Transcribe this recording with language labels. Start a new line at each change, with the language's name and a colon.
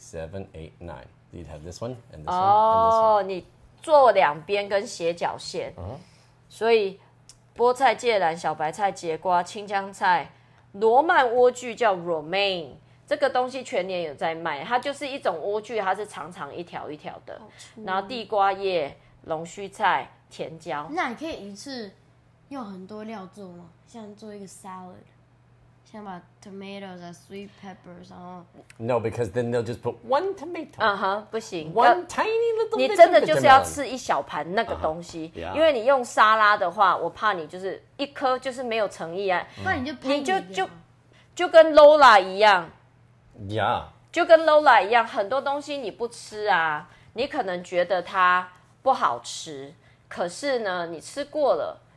English: 1, 2, 3, 4, 5, 6, 7, 8, 9. You'd have this one and this one and this one.
Chinese: 做两边跟斜角线，所以菠菜、芥蓝、小白菜、节瓜、青江菜、罗曼莴苣叫 romaine， 这个东西全年有在卖，它就是一种莴苣，它是长长一条一条的。然后地瓜叶、龙须菜、甜椒，那你可以一次用很多料做吗？像做一个 salad， 像把
English: tomatoes and sweet peppers，
Chinese: 然后
English: no， because then they'll just put one tomato。
Chinese: 不行，
English: one tiny little。
Chinese: 你真的就是要吃一小盘那个东西，
English: yeah.
Chinese: 因为你用沙拉的话，我怕你就是一颗就是没有诚意啊。那你就跟 Lola 一样，
English: yeah，
Chinese: 就跟 Lola 一样，很多东西你不吃啊，你可能觉得它不好吃，可是呢，你吃过了。